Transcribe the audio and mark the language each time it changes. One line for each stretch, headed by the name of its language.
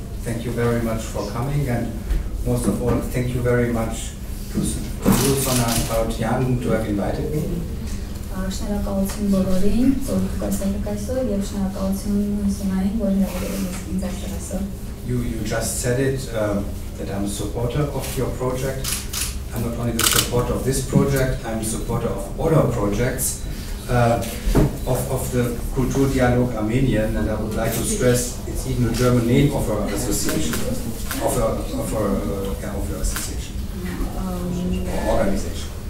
English: Thank you very much for coming, and most of all, thank you very much to Susana and Parotian to have invited me.
Armenian: Շնորհակալություն բոլորին, որ կասենք այսօր, եւ շնորհակալություն Սոնային, որ հրավիրել ես ինձ այսօր.
English: You just said it, that I'm a supporter of your project. I'm not only the supporter of this project, I'm a supporter of all our projects, of the Cultural Dialogue Armenian, and I would like to stress it's even a German name of our association, of our association, or organization.